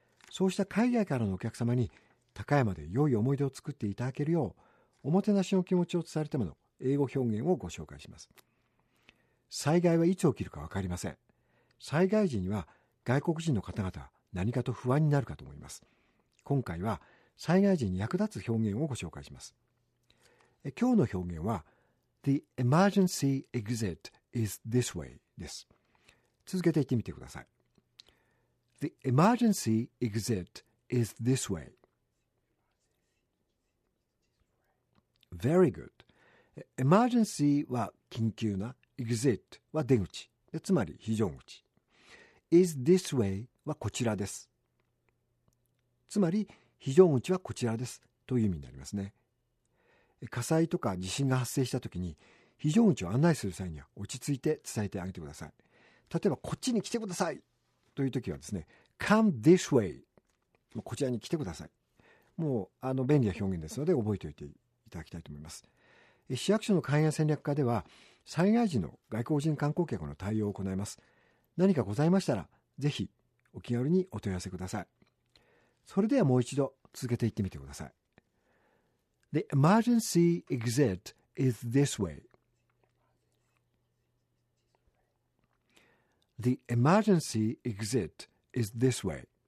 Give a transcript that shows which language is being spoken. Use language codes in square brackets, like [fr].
[ja] そうした海外からのお客様に高山で良い思い出を作っていただけるよう、おもてなしの気持ちを伝えるための英語表現をご紹介します。災害はいつ起きるかわかりません。災害時には外国人の方々は何かと不安になるかと思います。今回は災害時に役立つ表現をご紹介します。今日の表現は [en] The emergency exit is this way [ja] です。続けて言ってみてください。 [en] The emergency exit is this way. Very good. [ja] Emergency は緊急な、exit は出口、つまり非常口。 Is this way はこちらです。つまり非常口はこちらですという意味になりますね。火災とか地震が発生したときに非常口を案内する際には落ち着いて伝えてあげてください。例えばこっちに来てくださいというときはですね、 [en] Come this way、 [ja] こちらに来てください。もう便利な表現ですので覚えておいていただきたいと思います。市役所の海外戦略課では災害時の外国人観光客の対応を行います。何かございましたらぜひお気軽にお問い合わせください。それではもう一度続けていってみてください。 [en] The emergency exit is this way. The emergency exit is this way.